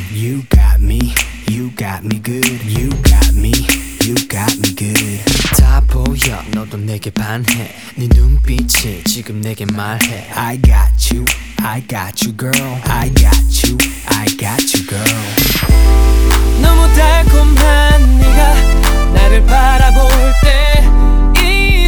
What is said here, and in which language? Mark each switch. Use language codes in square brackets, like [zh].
[en] You got me, you got me good You got me, you got me good [ko] 다 보여 너도 내게 반해 네 눈빛이 지금 내게 말해 [en] I got you girl I got you, I got you girl [ko] 너무 달콤한 네가 나를 바라볼 때